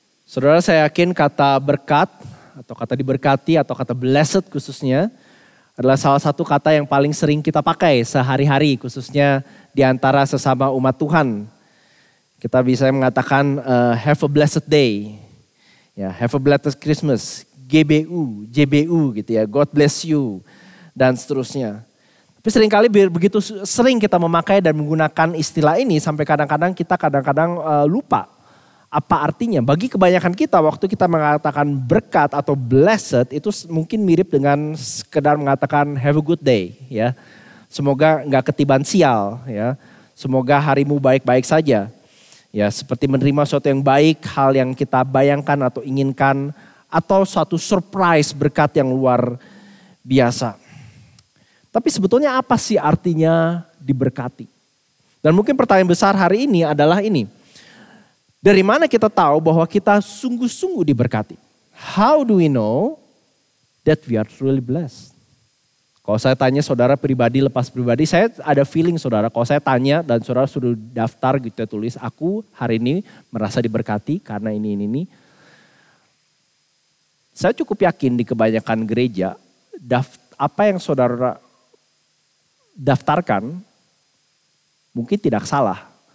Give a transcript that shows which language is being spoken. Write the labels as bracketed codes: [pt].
[id] Saudara, saya yakin kata berkat atau kata diberkati atau kata blessed khususnya adalah salah satu kata yang paling sering kita pakai sehari-hari khususnya di antara sesama umat Tuhan. [en] Kita bisa mengatakan have a blessed day. Ya, have a blessed Christmas. GBU, JBU gitu ya. God bless you [id] dan seterusnya. Tapi seringkali begitu sering kita memakai dan menggunakan istilah ini sampai kadang-kadang kita lupa apa artinya. Bagi kebanyakan kita, waktu kita mengatakan berkat atau blessed itu mungkin mirip dengan sekedar mengatakan [en] have a good day, [id] ya. Semoga enggak ketiban sial, ya. Semoga harimu baik-baik saja. Ya, seperti menerima sesuatu yang baik, hal yang kita bayangkan atau inginkan atau suatu surprise berkat yang luar biasa. Tapi sebetulnya apa sih artinya diberkati? Dan mungkin pertanyaan besar hari ini adalah ini. Dari mana kita tahu bahwa kita sungguh-sungguh diberkati? [en] How do we know that we are truly blessed? [id] Kalau saya tanya saudara pribadi, lepas pribadi, saya ada feeling saudara. Kalau saya tanya dan saudara sudah daftar gitu tulis, aku hari ini merasa diberkati karena ini. Saya cukup yakin di kebanyakan gereja, apa yang saudara daftarkan mungkin tidak salah.